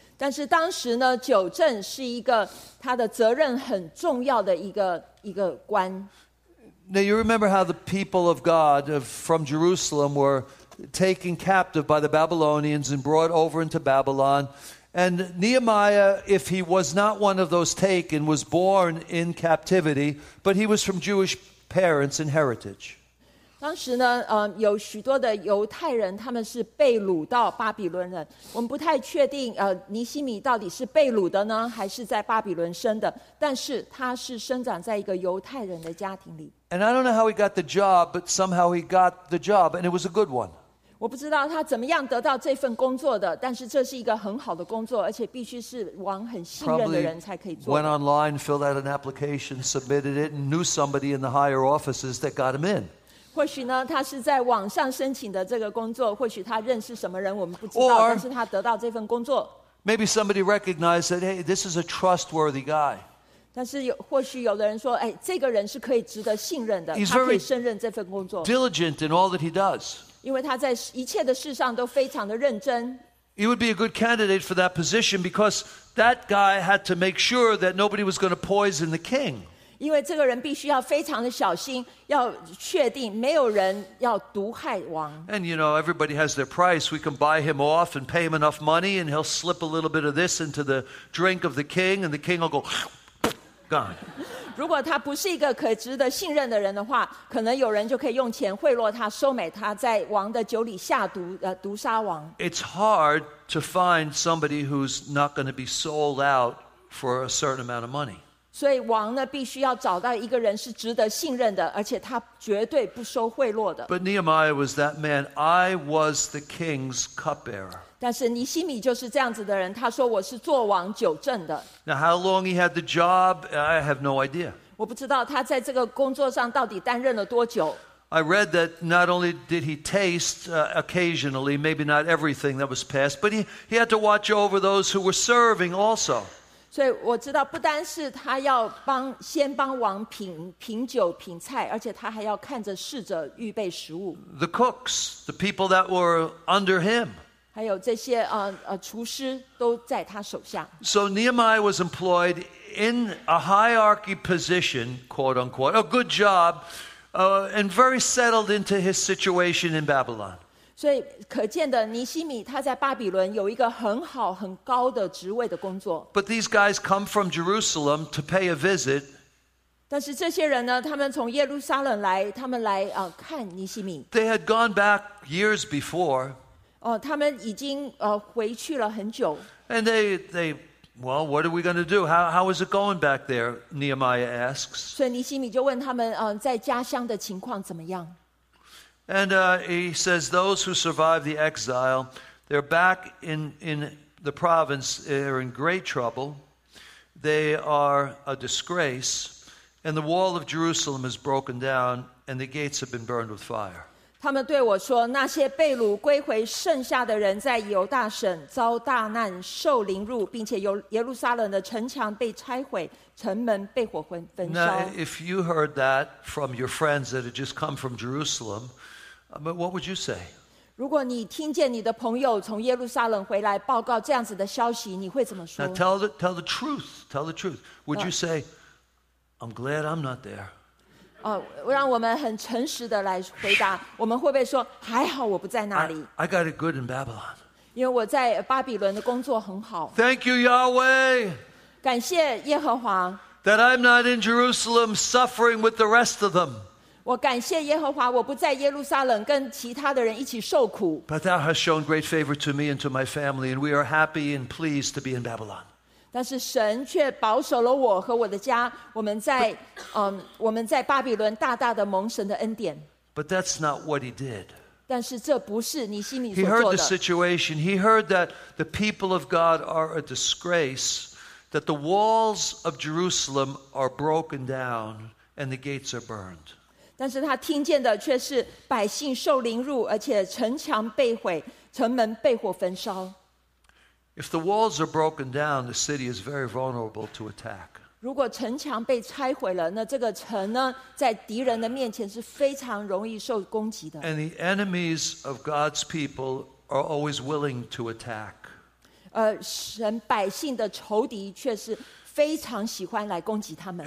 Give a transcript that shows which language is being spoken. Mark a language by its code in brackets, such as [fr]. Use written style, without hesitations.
[zh] 但是当时呢，酒证是一个他的责任很重要的一个官。 [en] Now you remember how the people of God from Jerusalem were. Taken captive by the Babylonians and brought over into Babylon. And Nehemiah, if he was not one of those taken, was born in captivity, but he was from Jewish parents and heritage. [zh] 当时呢，有许多的犹太人，他们是被掳到巴比伦人。我们不太确定，尼希米到底是被掳的呢，还是在巴比伦生的？但是他是生长在一个犹太人的家庭里。 [en] And I don't know how he got the job, but somehow he got the job, and it was a good one. [zh] 我不知道他怎么样得到这份工作的，但是这是一个很好的工作，而且必须是王很信任的人才可以做的。 [en] Went online, filled out an application, submitted it, and knew somebody in the higher offices that got him in. [zh] 或许呢，他是在网上申请的这个工作，或许他认识什么人，我们不知道，但是他得到这份工作。 [en] Maybe somebody recognized that, hey, this is a trustworthy guy. [zh] 但是有或许有的人说，哎，这个人是可以值得信任的，他可以胜任这份工作。 [en] Diligent in all that he does. [zh] 因为他在一切的事上都非常的认真。 [en] He would be a good candidate for that position because that guy had to make sure that nobody was going to poison the king. [zh] 因为这个人必须要非常的小心，要确定没有人要毒害王。 [en] And you know, everybody has their price. We can buy him off and pay him enough money, and he'll slip a little bit of this into the drink of the king, and the king will go. [zh] 如果他不是一个可值得信任的人的话，可能有人就可以用钱贿赂他，收买他，在王的酒里下毒，毒杀王。 [en] It's hard to find somebody who's not going to be sold out for a certain amount of money. [zh] 所以王呢，必须要找到一个人是值得信任的，而且他绝对不收贿赂的。 [en] But Nehemiah was that man. I was the king's cupbearer. [zh] 但是尼希米就是这样子的人，他说我是做王酒证的。 [en] Now how long he had the job, I have no idea. [zh] 我不知道他在这个工作上到底担任了多久。 [en] I read that not only did he taste occasionally, maybe not everything that was passed, but he had to watch over those who were serving also. [zh] 所以我知道不单是他要先帮王品酒品菜，而且他还要看着侍者预备食物。 [en] The cooks, the people that were under him. [zh] 还有这些厨师都在他手下。 [en] So Nehemiah was employed in a hierarchy position, quote unquote, a good job, and very settled into his situation in Babylon. [zh] 所以可见的，尼希米他在巴比伦有一个很好很高的职位的工作。 [en] But these guys come from Jerusalem to pay a visit. [zh] 但是这些人呢，他们从耶路撒冷来，他们来看尼希米。 [en] They had gone back years before. [zh] 他们已经回去了很久。 [en] And they, well, what are we going to do? How is it going back there? Nehemiah asks. [zh] 所以尼希米就问他们，在家乡的情况怎么样？ [en] And he says, those who survived the exile, they're back in the province. They're in great trouble. They are a disgrace. And the wall of Jerusalem is broken down, and the gates have been burned with fire. [zh] 他们对我说，那些被掳归回剩下的人在犹大省遭大难，受凌辱，并且由耶路撒冷的城墙被拆毁，城门被火焚烧。 [en] Now, if you heard that from your friends that had just come from Jerusalem, what would you say? [zh] 如果你听见你的朋友从耶路撒冷回来报告这样子的消息，你会怎么说？ [en] Now, tell the truth. Would you say, I'm glad I'm not there? [zh] 让我们很诚实的来回答，我们会不会说还好我不在那里 [en] I got it good in Babylon. [zh] 因为我在巴比伦的工作很好。 [en] Thank you, Yahweh. [zh] 感谢耶和华。 [en] That I'm not in Jerusalem suffering with the rest of them. [zh] 我感谢耶和华，我不在耶路撒冷跟其他的人一起受苦。 [en] But thou hast shown great favor to me and to my family, and we are happy and pleased to be in Babylon. [zh] 但是神却保守了我和我的家，我们在巴比伦大大的蒙神的恩典。 [en] But that's not what he did. [zh] 但是这不是你心里所做的。 [en] He heard the situation. He heard that the people of God are a disgrace, that the walls of Jerusalem are broken down and the gates are burned. [zh] 但是他听见的却是百姓受凌辱，而且城墙被毁，城门被火焚烧。 [en] If the walls are broken down, the city is very vulnerable to attack. [zh] 如果城墙被拆毁了，那这个城呢，在敌人的面前是非常容易受攻击的。 [en] And the enemies of God's people are always willing to attack. [zh] 神百姓的仇敌却是非常喜欢来攻击他们。